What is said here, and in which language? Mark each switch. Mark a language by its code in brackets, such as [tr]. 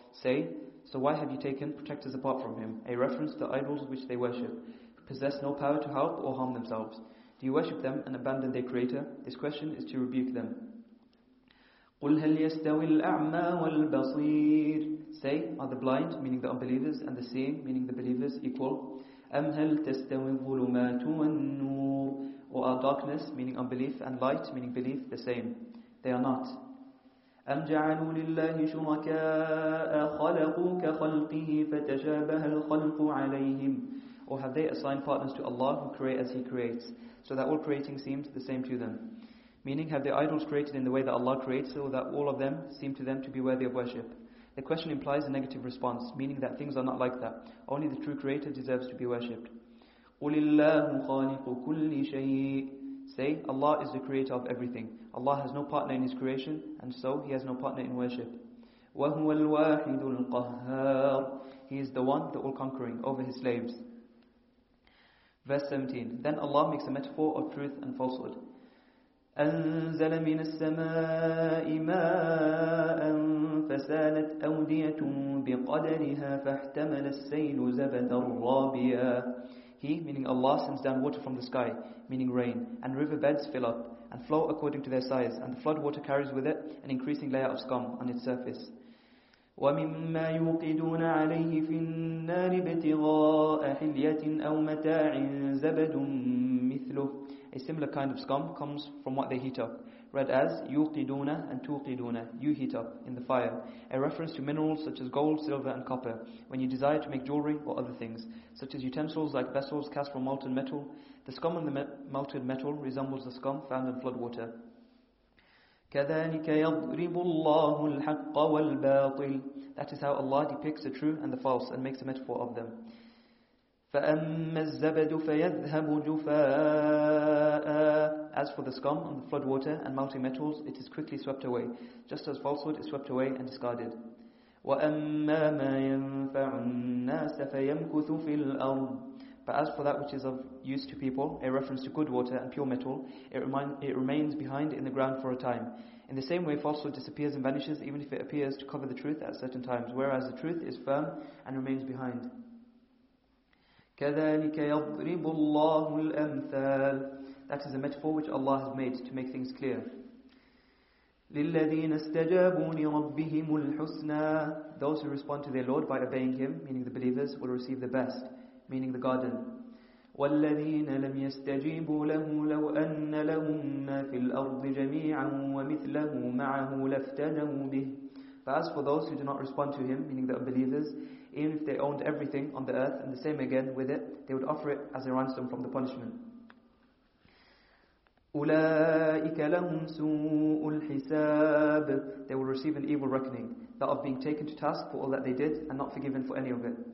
[en] Say, so why have you taken protectors apart from him? A reference to idols which they worship, who possess no power to help or harm themselves. Do you worship them and abandon their creator? This question is to rebuke them. [ar] قُلْ هَلْ يَسْتَوِي الْأَعْمَى وَالْبَصِيرِ. [en] Say, are the blind, meaning the unbelievers, and the seeing, meaning the believers, equal? [ar] أَمْ هَلْ تَسْتَوِي الظُّلُمَاتُ وَالنُّورِ. [en] Or are darkness, meaning unbelief, and light, meaning belief, the same? They are not. [ar] أَمْ جَعَلُوا لِلَّهِ شُرَكَاءَ خَلَقُوا كَخَلْقِهِ فَتَشَابَهَ الْخَلْقُ عَلَيْهِمْ. [en] Or have they assigned partners to Allah who create as He creates, so that all creating seems the same to them? Meaning, have the idols created in the way that Allah creates, so that all of them seem to them to be worthy of worship? The question implies a negative response, meaning that things are not like that. Only the true creator deserves to be worshipped. [ar] قُلِ اللَّهُ خَالِقُ كُلِّ شَيْءٍ. [en] Say, Allah is the creator of everything. Allah has no partner in His creation, and so He has no partner in worship. [ar] وَهُوَ الْوَاحِدُ الْقَهَّارُ. [en] He is the one, the all-conquering, over His slaves. Verse 17. Then Allah makes a metaphor of truth and falsehood. [ar] أنزل من السماء ماء فسالت أودية بقدرها فاحتمل السيل زبدا رابيا. [en] He, meaning Allah, sends down water from the sky, meaning rain, and riverbeds fill up and flow according to their size, and the flood water carries with it an increasing layer of scum on its surface. [ar] ومما يوقدون عليه في النار ابتغاء حلية أو متاع زبد مثله. [en] A similar kind of scum comes from what they heat up, read as يوقدون and توقدون, you heat up, in the fire. A reference to minerals such as gold, silver and copper, when you desire to make jewelry or other things, such as utensils like vessels cast from molten metal. The scum on the melted metal resembles the scum found in flood water. [ar] كذلك يضرب الله الحق والباطل. [en] That is how Allah depicts the true and the false and makes a metaphor of them. [ar] فَأَمَّا الزَّبَدُ فَيَذْهَبُ جُفَاءً. [en] As for the scum on the flood water and melting metals, it is quickly swept away, just as falsehood is swept away and discarded. [ar] وَأَمَّا مَا يَنْفَعُ النَّاسَ فَيَمْكُثُ فِي الْأَرْضِ. [en] But as for that which is of use to people, a reference to good water and pure metal, it remains behind in the ground for a time. In the same way, falsehood disappears and vanishes, even if it appears to cover the truth at certain times, whereas the truth is firm and remains behind. [ar] كذلك يضرب الله الأمثال. [en] That is a metaphor which Allah has made to make things clear. [ar] للذين استجابوا لربهم الحسنى. [en] Those who respond to their Lord by obeying Him, meaning the believers, will receive the best, meaning the garden. [ar] والذين لم يستجيبوا له لو أن لهم ما في الأرض جميعا ومثله معه لافتدوا به. [en] But as for those who do not respond to Him, meaning the unbelievers, even if they owned everything on the earth and the same again with it, they would offer it as a ransom from the punishment. [ar] أُولَٰئِكَ لَهُمْ سُوءُ الْحِسَابِ. [en] They will receive an evil reckoning, that of being taken to task for all that they did and not forgiven for any of it.